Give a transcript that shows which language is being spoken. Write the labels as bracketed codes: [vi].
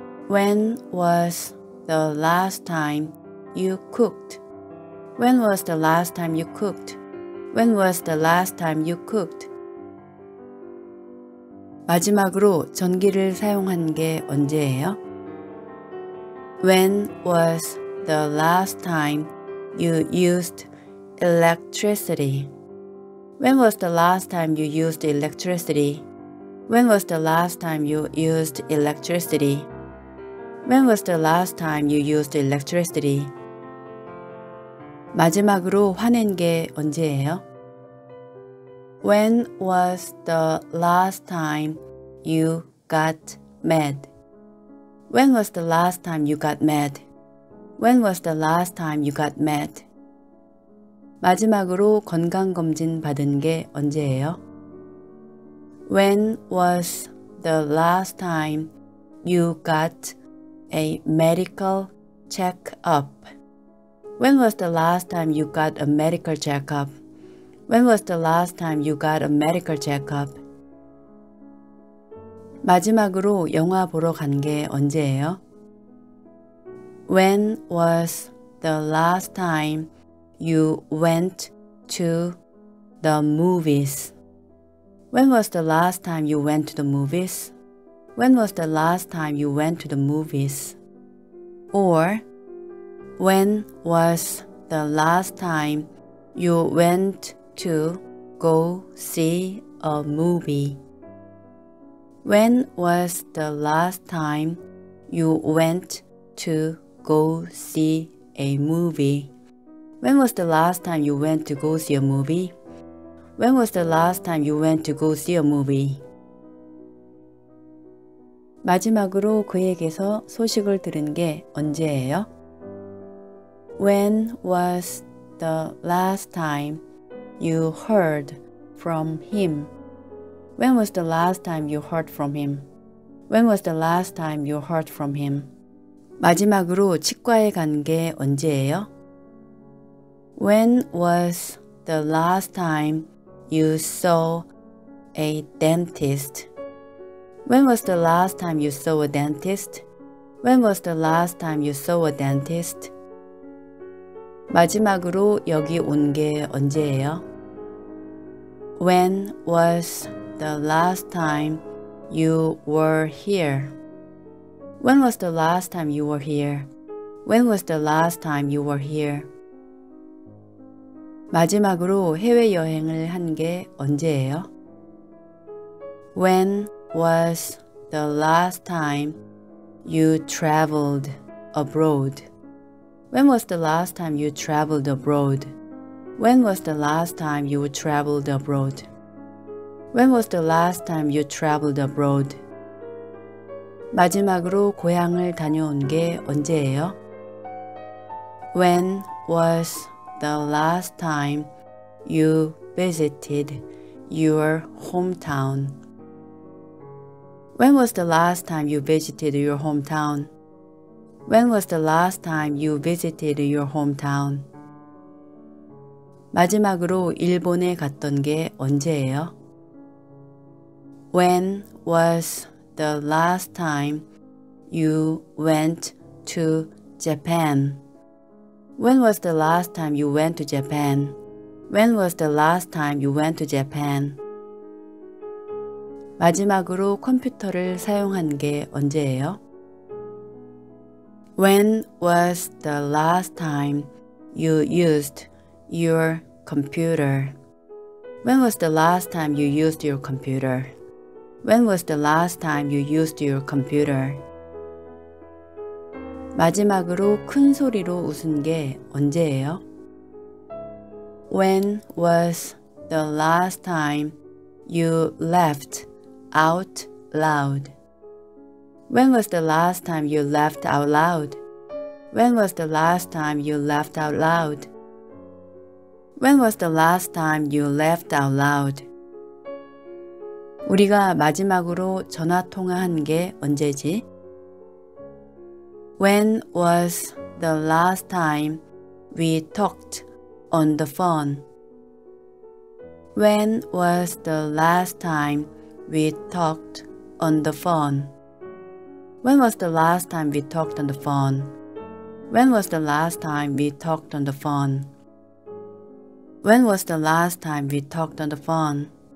[en] When was the last time you cooked? When was the last time you cooked? When was the last time you cooked? [ko] 마지막으로 전기를 사용한 게 언제예요? [en] When was the last time you used electricity? When was the last time you used electricity? When was the last time you used electricity? When was the last time you used electricity? [ko] 마지막으로 화낸 게 언제예요? [en] When was the last time you got mad? When was the last time you got mad? When was the last time you got mad? [ko] 마지막으로 건강검진 받은 게 언제예요? [en] When was the last time you got a medical check-up? When was the last time you got a medical check-up? When was the last time you got a medical check-up? [ko] 마지막으로 영화 보러 간 게 언제예요? [en] When was the last time you went to the movies? When was the last time you went to the movies? When was the last time you went to the movies? Or, when was the last time you went to go see a movie? When was the last time you went to go see a movie? When was the last time you went to go see a movie? When was the last time you went to go see a movie? [ko] 마지막으로 그에게서 소식을 들은 게 언제예요? [en] When was the last time you heard from him? When was the last time you heard from him? When was the last time you heard from him? [ko] 마지막으로 치과에 간 게 언제예요? [en] When was the last time you saw a dentist? When was the last time you saw a dentist? When was the last time you saw a dentist? [ko] 마지막으로 여기 온 게 언제예요? [en] When was the last time you were here? When was the last time you were here? When was the last time you were here? [ko] 마지막으로 해외 여행을 한 게 언제예요? [en] When was the last time you traveled abroad? When was the last time you traveled abroad? When was the last time you traveled abroad? When was the last time you traveled abroad? [ko] 마지막으로 고향을 다녀온 게 언제예요? [en] When was the last time you visited your hometown? When was the last time you visited your hometown? When was the last time you visited your hometown? [ko] 마지막으로 일본에 갔던 게 언제예요? [en] When was the last time you went to Japan? When was the last time you went to Japan? When was the last time you went to Japan? [ko] 마지막으로 컴퓨터를 사용한 게 언제예요? [en] When was the last time you used your computer? When was the last time you used your computer? When was the last time you used your computer? [ko] 마지막으로 큰 소리로 웃은 게 언제예요? [en] When was the last time you laughed out loud? When was the last time you laughed out loud? When was the last time you laughed out loud? When was the last time you laughed out loud? [ko] 우리가 마지막으로 전화 통화한 게 언제지? [en] When was the last time we talked on the phone? When was the last time we talked on the phone? When was the last time we talked on the phone? When was the last time we talked on the phone? When was the last time we talked on the phone?